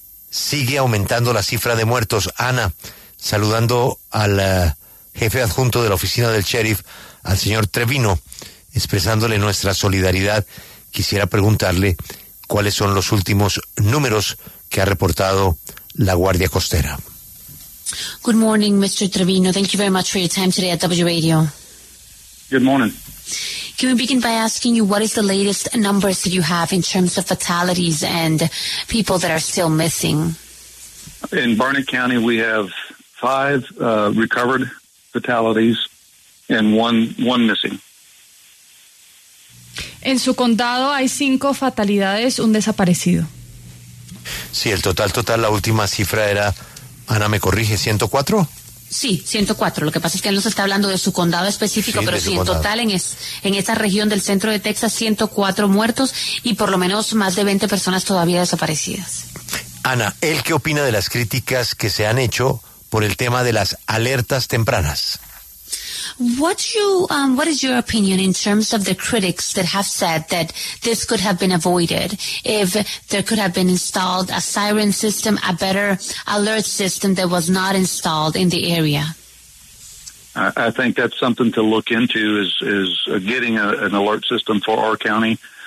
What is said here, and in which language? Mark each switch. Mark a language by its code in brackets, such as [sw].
[es] Sigue aumentando la cifra de muertos. Ana, saludando al jefe adjunto de la oficina del sheriff, al señor Trevino, expresándole nuestra solidaridad. Quisiera preguntarle cuáles son los últimos números que ha reportado la Guardia Costera. [en] Good morning, Mr. Trevino. Thank you very much for your time today at W Radio. Good morning. Can we begin by asking you what is the latest numbers that you have in terms of fatalities and people that are still missing? In Barnett County, we have 5 recovered fatalities and one missing. [es] En su condado hay 5 fatalidades, un desaparecido. Sí, el total, la última cifra era, Ana, me corrige, 104. Sí, 104. Lo que pasa es que él nos está hablando de su condado específico, sí, pero sí, en total en esta región del centro de Texas, 104 muertos y por lo menos más de 20 personas todavía desaparecidas. Ana, ¿él qué opina de las críticas que se han hecho por el tema de las alertas tempranas? [en] What is your opinion in terms of the critics that have said that this could have been avoided if there could have been installed a siren system, a better alert system that was not installed in the area? I think that's something to look into is getting an alert system for our county.